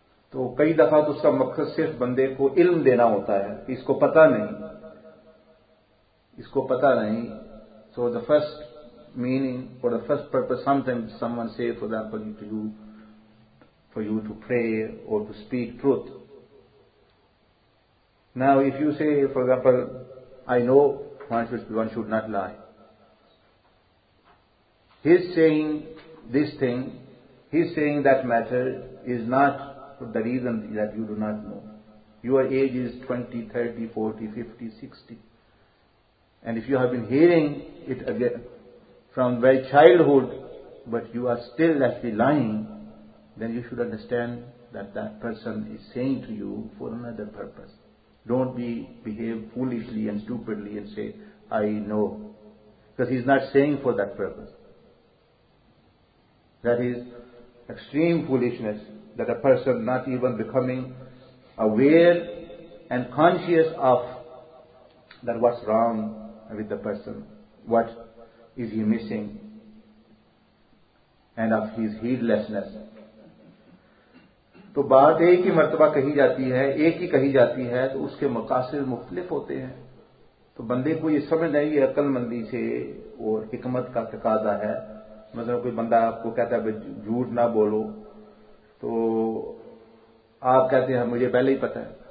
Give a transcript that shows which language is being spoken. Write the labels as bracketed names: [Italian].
[Urdu] تو کئی دفعہ تو اس کا مقصد صرف بندے کو علم دینا ہوتا ہے, اس کو پتہ نہیں, اس کو پتہ نہیں. [English] So the first meaning اور the first purpose sometime someone say for example you to do for you to pray اور to speak truth. Now, if you say, for example, I know one should not lie, His saying this thing, his saying that matter is not for the reason that you do not know. Your age is 20, 30, 40, 50, 60. And if you have been hearing it again from very childhood, but you are still actually lying, then you should understand that that person is saying to you for another purpose. Don't behave foolishly and stupidly and say, I know. Because he's not saying for that purpose. That is extreme foolishness, that a person not even becoming aware and conscious of that what's wrong with the person, what is he missing, and of his heedlessness. [Urdu] تو بات ایک ہی مرتبہ کہی جاتی ہے ایک ہی کہی جاتی ہے تو اس کے مقاصد مختلف ہوتے ہیں تو بندے کو یہ سمجھ نہیں یہ عقل مندی سے اور حکمت کا تقاضا ہے مثلا کوئی بندہ آپ کو کہتا ہے بھائی جھوٹ نہ بولو تو آپ کہتے ہیں مجھے پہلے ہی پتا ہے